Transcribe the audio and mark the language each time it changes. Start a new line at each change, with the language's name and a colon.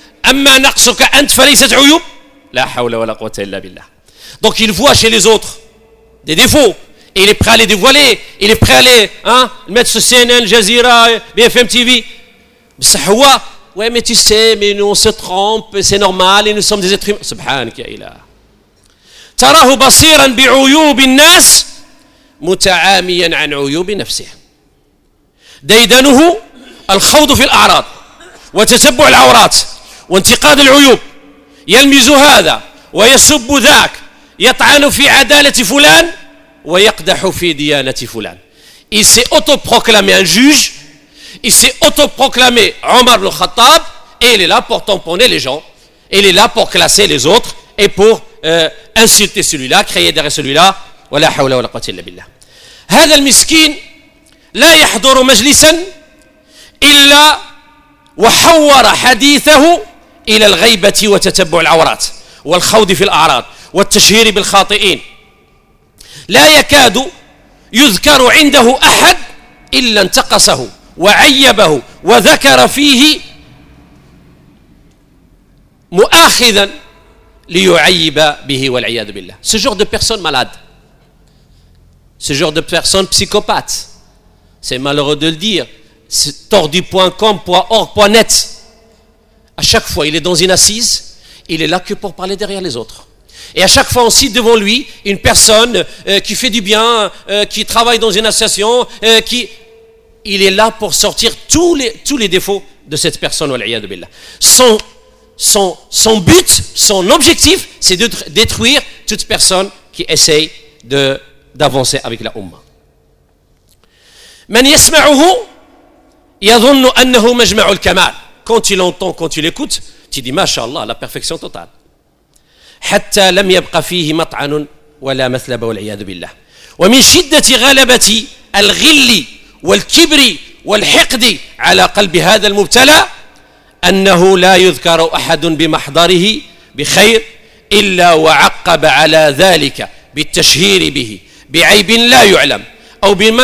Arabic: أما نقصك أنت فليست عيوب لا حول ولا قوة إلا بالله.
French: Donc il voit chez les autres des défauts et il est prêt à les dévoiler, il est prêt à les mettre sur CNN, Jazeera, BFM TV.
Arabic: بصح هو
French: ouais mais tu sais, mais nous on se trompe, c'est normal et nous sommes des êtres humains.
Arabic: سبحانك يا إله. تراه بصيرا بعيوب الناس متعاميا عن عيوب نفسه. ديدنه الخوض في الأعراض وتتبع العورات وانتقاد العيوب، يلمز هذا ويسب ذاك، يطعن في عدالة فلان ويقدح في ديانة فلان.
French: Il s'est autoproclamé un juge, il s'est autoproclamé Omar le Khattab, et il est là pour tamponner les gens, il est là pour classer les autres et pour insulter celui-là, crier derrière celui-là.
Arabic: ولا حول ولا قوة إلا بالله. هذا المسكين لا يحضر مجلسا إلا وحور حديثه إلى الغيبة وتتبع العورات والخوض في الأعراض والتشهير بالخاطئين. لا يكاد يذكر عنده أحد إلا انتقصه وعيبه وذكر فيه مؤاخذا ليعيب به والعياذ بالله.
French: Ce genre de personne malade, ce genre de personne psychopathe, c'est malheureux de le dire, tordu.com.org.net. À chaque fois, il est dans une assise, il est là que pour parler derrière les autres. Et à chaque fois, on cite devant lui une personne qui fait du bien, qui travaille dans une association, qui. Il est là pour sortir tous les défauts de cette personne,
Arabic: wal'iyadu billah.
French: Son, son but, son objectif, c'est de détruire toute personne qui essaye d'avancer avec la Ummah.
Arabic: من يسمعه يظن أنه مجمع الكمال.
French: Quand tu l'entends, quand tu l'écoutes, tu dis Masha'Allah, la perfection totale.
Arabic: حتى لم يبقى فيه مطعن ولا مثلب والعياذ بالله. ومن شدة غلبة الغل والكبر والحقد على قلب هذا المبتلى أنه لا يذكر أحد بمحضره بخير إلا وعقب على ذلك بالتشهير به بعيب لا يعلم أو